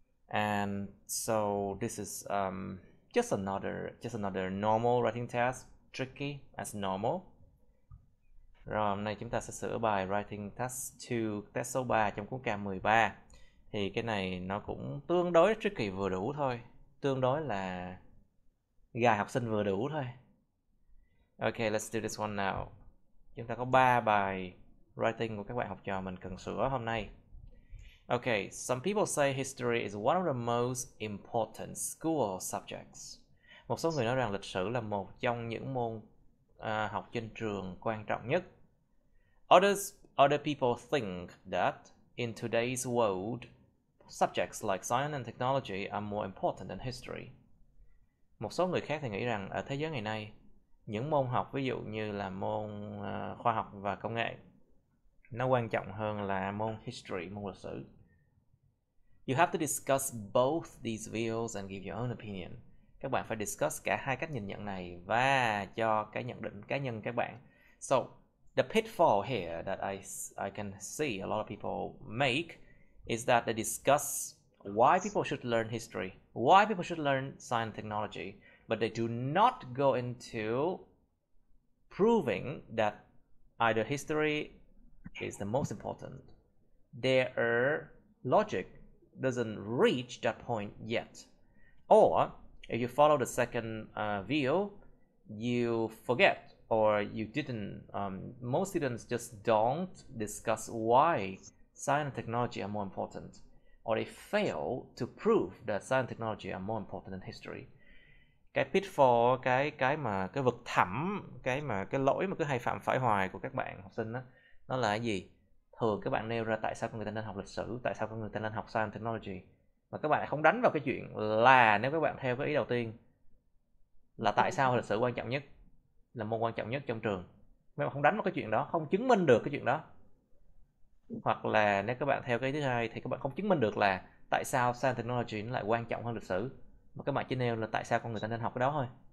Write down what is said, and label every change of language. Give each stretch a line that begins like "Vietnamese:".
English: And so this is just another normal writing test, tricky as normal.
Vietnamese: Rồi hôm nay chúng ta sẽ sửa bài writing test 2, test số 3 trong cuốn K 13. Thì cái này nó cũng tương đối tricky vừa đủ thôi, tương đối là gài học sinh vừa đủ thôi.
English: Okay, let's do this one now.
Vietnamese: Chúng ta có 3 bài writing của các bạn học trò mình cần sửa hôm nay.
English: Okay, some people say history is one of the most important school subjects.
Vietnamese: Một số người nói rằng lịch sử là một trong những môn học trên trường quan trọng nhất.
English: Other people think that in today's world, subjects like science and technology are more important than history.
Vietnamese: Một số người khác thì nghĩ rằng ở thế giới ngày nay, những môn học ví dụ như là môn khoa học và công nghệ nó quan trọng hơn là môn history, môn lịch sử.
English: You have to discuss both these views and give your own opinion.
Vietnamese: Các bạn phải discuss cả hai cách nhìn nhận này và cho cái nhận định cá nhân các bạn.
English: So, the pitfall here that I can see a lot of people make is that they discuss why people should learn history, why people should learn science and technology, but they do not go into proving that either history is the most important. Their logic doesn't reach that point yet. Or if you follow the second view, you forget, or you didn't. Most students just don't discuss why science and technology are more important, or they fail to prove that science and technology are more important than history.
Vietnamese: Cái pitfall, cái vực thẳm, cái lỗi mà cứ hay phạm phải hoài của các bạn học sinh đó, nó là cái gì? Thường các bạn nêu ra tại sao con người ta nên học lịch sử, tại sao con người ta nên học science technology, mà các bạn không đánh vào cái chuyện là nếu các bạn theo cái ý đầu tiên là tại sao lịch sử quan trọng nhất, là môn quan trọng nhất trong trường, nếu mà không đánh vào cái chuyện đó, không chứng minh được cái chuyện đó, hoặc là nếu các bạn theo cái thứ hai thì các bạn không chứng minh được là tại sao science technology nó lại quan trọng hơn lịch sử, mà các bạn chỉ nêu là tại sao con người ta nên học cái đó thôi.